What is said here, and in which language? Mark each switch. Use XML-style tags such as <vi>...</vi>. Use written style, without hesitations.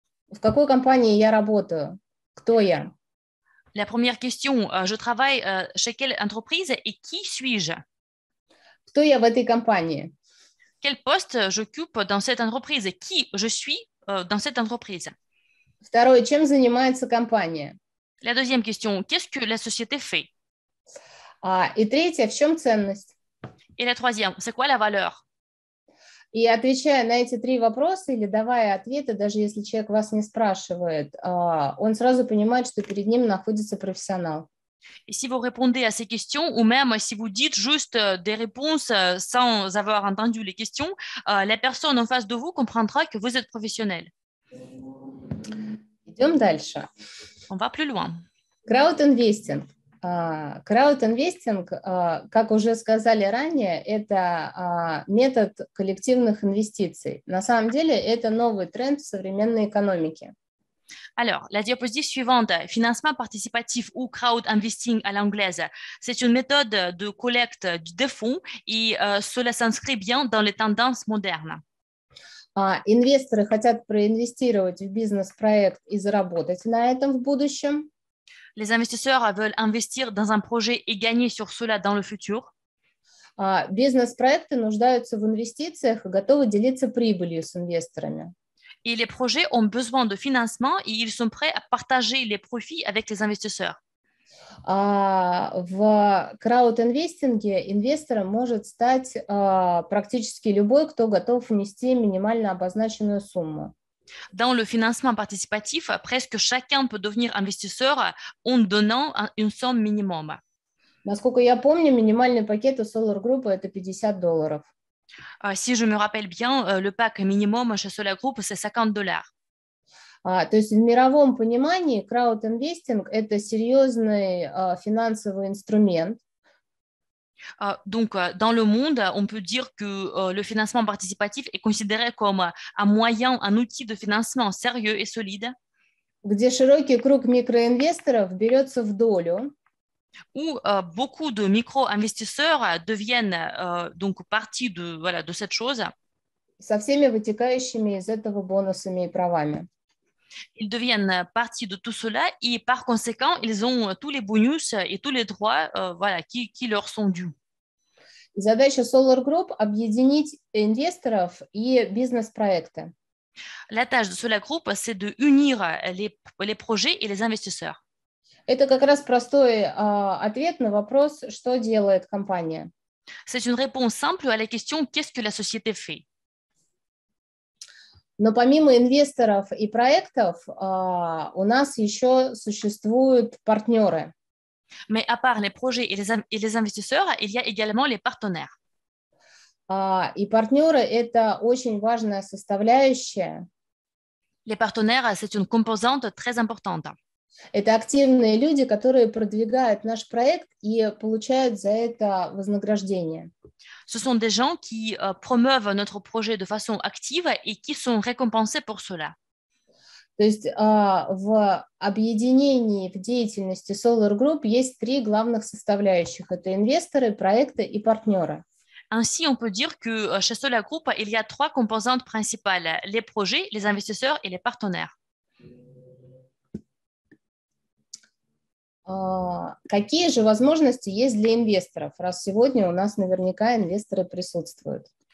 <ru>В какой компании я работаю? Кто я?</ru> <fr>La première question, je travaille chez quelle entreprise et qui suis-je?</fr> <ru>Кто я в этой компании?</ru> <fr>Quel poste j'occupe dans cette entreprise? Qui je suis dans cette entreprise?</fr> <ru>Второе, чем занимается компания?</ru> <fr>La deuxième question, qu'est-ce que la société fait?</fr> <ru>И третье, в чем ценность?</ru> <fr>Et la troisième, c'est quoi la valeur?</fr> <ru>И отвечая на эти три вопроса или давая ответы, даже если человек вас не спрашивает, он сразу понимает, что перед ним находится профессионал.</ru> <fr>Si vous répondez à ces questions, ou même si vous dites juste des réponses sans avoir entendu les questions, la personne en face de vous comprendra que vous êtes professionnel.</fr> <ru>Идем дальше.</ru> <fr>On va plus loin.</fr> <ru>Краудинвестинг. Краудинвестинг, как уже сказали ранее, это метод коллективных инвестиций. На самом деле, это новый тренд в современной экономике.</ru> <fr>Alors, la diapositive suivante, financement participatif ou crowd investing à l'anglaise, c'est une méthode de collecte de fonds et cela s'inscrit bien dans les tendances modernes.</fr> <ru>Инвесторы хотят проинвестировать в бизнес-проект и заработать на этом в будущем.</ru> <fr>Les investisseurs veulent investir dans un projet et gagner sur cela dans le futur.</fr> <ru>Бизнес-проекты нуждаются в инвестициях и готовы делиться прибылью с инвесторами.</ru> <fr>Et les projets ont besoin de financement et ils sont prêts à partager les profits avec les investisseurs.</fr> <ru>В краудинвестинге инвестором может стать практически любой, кто готов внести минимально обозначенную сумму.</ru> <fr>Dans le financement participatif, presque chacun peut devenir investisseur en donnant une somme minimum.</fr> <ru>Насколько я помню, минимальный пакет у Solar Group это $50.</ru> <fr>Si je me rappelle bien, le pack minimum chez Solar Group c'est $50.</fr> <ru>То есть в мировом понимании краудинвестинг это серьезный финансовый инструмент.</ru> <fr>Donc, dans le monde, on peut dire que le financement participatif est considéré comme un moyen, un outil de financement sérieux et solide.</fr> <ru>Где широкий круг микроинвесторов берется в долю.</ru> <fr>Où beaucoup de micro-investisseurs deviennent donc partie de, voilà, de cette chose.</fr> <ru>Со всеми вытекающими из этого бонусами и правами.</ru> <fr>Ils deviennent partie de tout cela et par conséquent, ils ont tous les bonus et tous les droits voilà, qui leur sont dus.</fr> <ru>Задача Solar Group – объединить инвесторов и бизнес-проекты.</ru> <fr>La tâche de Solar Group, c'est de unir les projets et les investisseurs.</fr> <ru>Это как раз простой ответ на вопрос, что делает компания.</ru> <fr>C'est une réponse simple à la question «Qu'est-ce que la société fait?»</fr> <ru>Но помимо инвесторов и проектов, у нас еще существуют партнеры.</ru> <fr>Mais à part les projets et les investisseurs, il y a également les partenaires.</fr> <ru>И партнеры – это очень важная составляющая.</ru> <fr>Les partenaires, c'est une composante très importante.</fr> <ru>Это активные люди, которые продвигают наш проект и получают за это вознаграждение.</ru> <fr>Ce sont des gens qui promeuvent notre projet de façon active et qui sont récompensés pour cela.</fr> <ru>То есть в объединении, в деятельности Solar Group есть три главных составляющих. Это инвесторы, проекты и партнеры.</ru> <fr>Ainsi, on peut dire que chez Solar Group, il y a trois composantes principales. Les projets, les investisseurs et les partenaires.</fr> <ru>Какие же возможности есть для инвесторов, раз сегодня у нас наверняка инвесторы присутствуют?</ru>